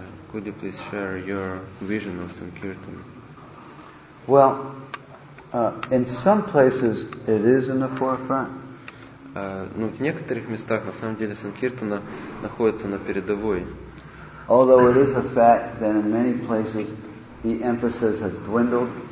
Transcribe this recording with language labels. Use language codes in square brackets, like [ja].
[en] Could you please share your vision of Sankirtan? Well, in some places it is in the forefront. [ru] Но в некоторых местах на самом деле Санкиртана находится на передовой. [en] Although it is a fact that in many places the emphasis has dwindled.